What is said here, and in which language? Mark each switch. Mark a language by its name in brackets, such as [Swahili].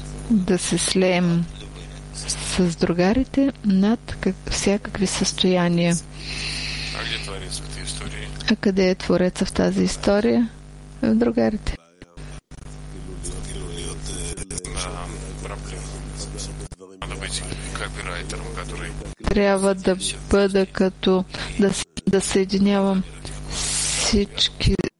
[Bulgarian] да се слеем с другарите над всякакви състояния. [Russian] А где творец в этой истории? [Bulgarian] А къде е творецът в тази история? В другарите. Трябва да бъда като да съединявам всички.